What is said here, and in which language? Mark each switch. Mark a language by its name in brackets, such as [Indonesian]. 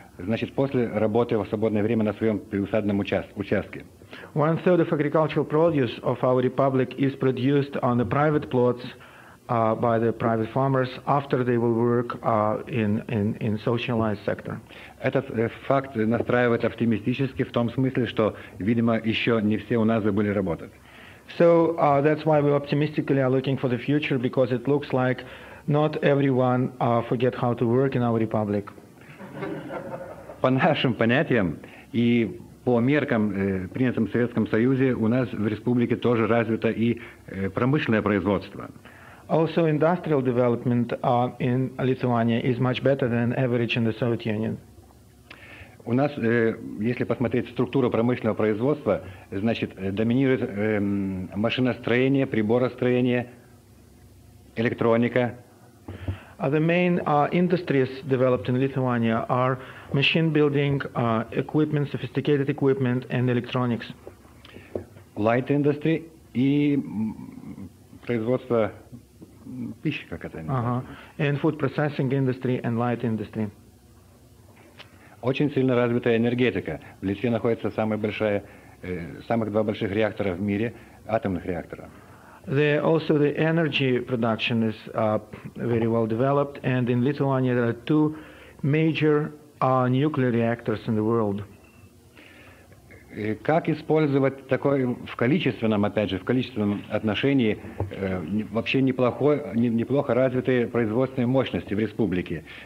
[Russian] Значит, после работы в свободное время на своем приусадном участке. [English] One third of agricultural produce of our republic is produced on the private plots by the private farmers after they will work in socialized sector. [Russian] Этот факт настраивает оптимистически в том смысле, что, видимо, еще не все у нас забыли работать. [English] So that's why we optimistically are looking for the future, because it looks like not everyone forget how to work in our republic. [Russian] По нашим понятиям и по меркам, принятым в Советском Союзе, у нас в республике тоже развито и промышленное производство. [English] Also industrial development in Lithuania is much better than average in the Soviet Union. [Russian] У нас, если посмотреть структуру промышленного производства, значит, доминирует машиностроение, приборостроение, электроника. [English] The main industries developed in Lithuania are machine building, equipment, sophisticated equipment and electronics. Light industry [Russian] и производство пищи, как это называется. [English] And food processing industry and light industry. [Russian] Очень сильно развитая энергетика. В Литве находится самых два больших реактора в мире, атомных реактора. [English] Also the energy production is very well developed, and in Lithuania there are two major nuclear reactors in the world. [Russian] Как использовать такой в количественном, опять же, в количественном отношении вообще неплохо развитые производственные мощности в республике?